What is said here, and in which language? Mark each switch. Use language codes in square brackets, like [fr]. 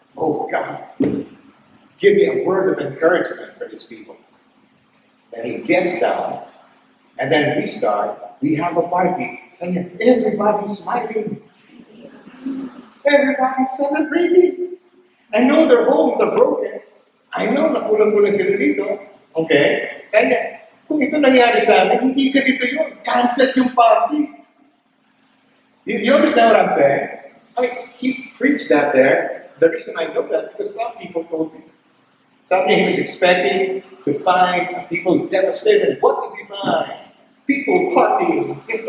[en] Oh God, give me a word of encouragement for these people. Then he gets down, and then we start, we have a party, saying everybody's smiling. Everybody's celebrating. I know their homes are broken. I know [tl] napulang-pulang sila dito. Okay? Kaya, kung ito nangyari sa amin, hindi ka dito yun. Cancel yung party. [en] You understand what I'm saying? I mean, he's preached that there. The reason I know that, because some people told me. Some people he was expecting to find people devastated. What does he find? People partying.